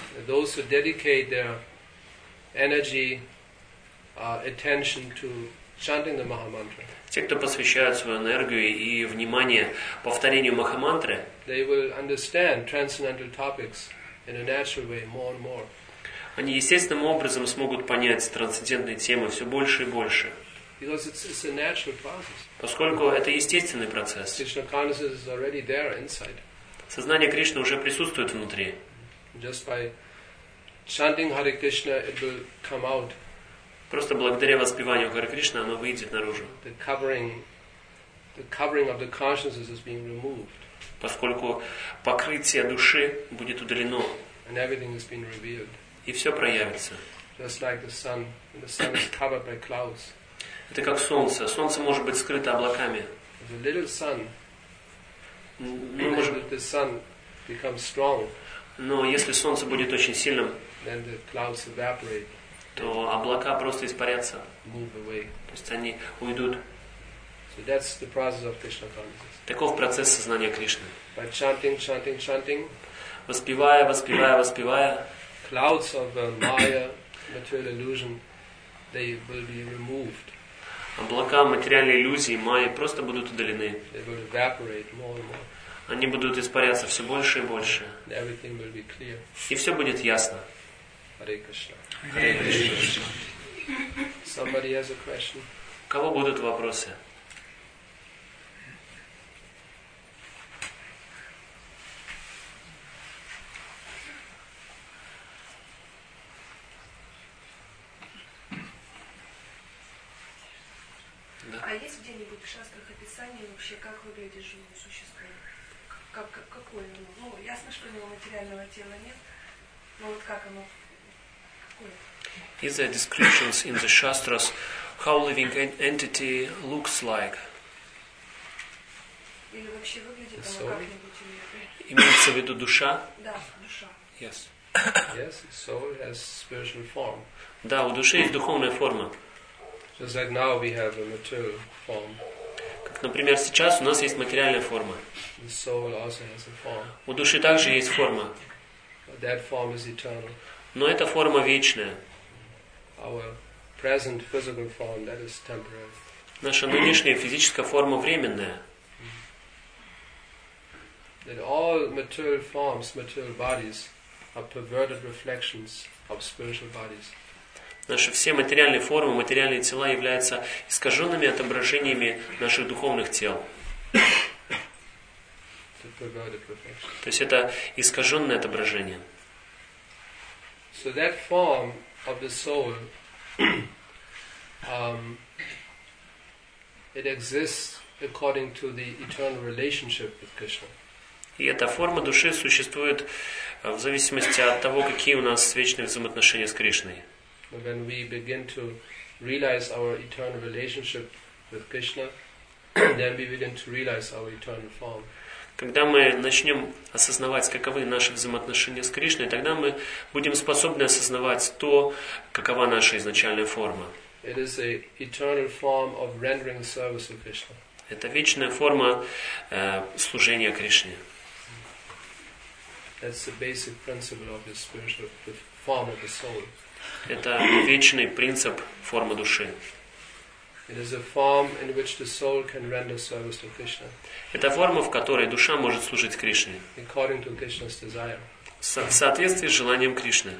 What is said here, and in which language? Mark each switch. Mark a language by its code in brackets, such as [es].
[en] Those who dedicate their energy, attention to chanting the Maha Mantra. [ru] Те, кто посвящают свою энергию и внимание повторению Махамантры, [en] they will understand transcendental topics in a natural way more and more. [ru] Они естественным образом смогут понять трансцендентные темы все больше и больше. [en] Because it's a natural process. [ru] Поскольку это естественный процесс. [en] Krishna consciousness is already there inside. [ru] Сознание Кришны уже присутствует внутри. [en] Just by chanting Hare Krishna, it will come out. [ru] Просто благодаря воспеванию Харе Кришны оно выйдет наружу. [en] The covering of the consciousness is being removed. [ru] Поскольку покрытие души будет удалено. [en] And everything is being revealed. [ru] И все проявится. [en] Just like the sun is covered by clouds. [ru] Это как солнце. Солнце может быть скрыто облаками. [en] The little sun, the sun becomes strong. [ru] Но если солнце будет очень сильным, [en] then the clouds evaporate. [ru] то облака просто испарятся. [en] Move away. [ru] То есть они уйдут. [en] So that's the process of Krishna consciousness. [ru] Таков процесс сознания Кришны. [en] By chanting, chanting, chanting. [ru] Воспевая, воспевая, воспевая. [en] Clouds of Maya, material illusion, they will be removed. [ru] Облака, материальные иллюзии, майи просто будут удалены. [en] They will evaporate more and more. [ru] Они будут испаряться все больше и больше. [en] Everything will be clear. [ru] И все будет ясно. [en] Hare Krishna. Hare Krishna. Somebody has a question. [ru] У кого будут вопросы? А есть где-нибудь в шастрах описание вообще, как выглядит живое существо? Какое оно? Ну, ясно, что у него материального тела нет, но вот как оно? Какое? [en] Is there descriptions in the shastras how living entity looks like? [ru] Или вообще выглядит оно как-нибудь или нет? Имеется в виду душа? Да, душа. [en] Yes. Yes, soul has spiritual form. [ru] Да, у души есть духовная форма. [en] Just like now we have a material form. [ru] Как, например, сейчас у нас есть материальная форма. [en] The soul also has a form. [ru] У души также есть форма. [en] But that form is eternal. [ru] Но эта форма вечная. [en] Our present physical form, that is temporary. [ru] Наша нынешняя физическая форма временная. [en] That all material forms, material bodies, are perverted reflections of spiritual bodies. [ru] Наши все материальные формы, материальные тела являются искаженными отображениями наших духовных тел. То есть это искаженное отображение. [en] So that form of the soul, it exists according to the eternal relationship with Krishna. [ru] И эта форма души существует в зависимости от того, какие у нас вечные взаимоотношения с Кришной. [en] When we begin to realize our eternal relationship with Krishna, then we begin to realize our eternal form. [ru] Когда мы начнем осознавать, каковы наши взаимоотношения с Кришной, тогда мы будем способны осознавать то, какова наша изначальная форма. [en] It is an eternal form of rendering service to Krishna. [ru] Это вечная форма служения Кришне. [en] That's the basic principle of the spiritual form of the soul. [ru] Это вечный принцип формы души. [en] It is a form in which the soul can render service to Krishna. [ru] Это форма, в которой душа может служить Кришне. [en] According to Krishna's desire. [ru] В соответствии с желанием Кришны.